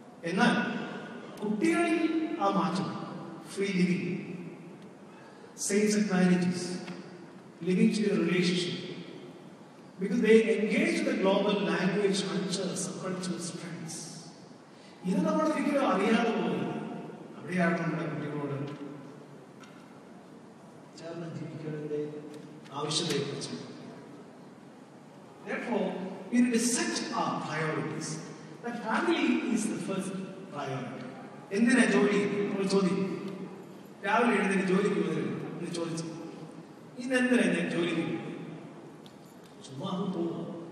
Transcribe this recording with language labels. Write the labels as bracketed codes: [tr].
[ml] എന്നാൽ കുട്ടികളിൽ ആ മാറ്റം, free living, same sex marriages, living to relationship, [en] because they engage the global language cultures cultures trends, [ml] ഇത് നമ്മൾ ഒരിക്കലും അറിയാതെ പോലും അവിടെയാണ് നമ്മുടെ കുട്ടികളോട് ചേർന്ന് ജീവിക്കേണ്ടതിന്റെ ആവശ്യകതയെ കുറിച്ച്. [en] Therefore, we need to set our priorities. The family is the first priority. [ml] എന്തിനാ ജോലി? നമ്മൾ ചോദിക്കും രാവിലെ എഴുന്നേറ്റ് ജോലിക്ക് പോകുന്നതിന് ചോദിച്ചു, ഇന്ന് എന്തിനാ ഞാൻ ജോലി ചുമ്മാ പോകുന്നു?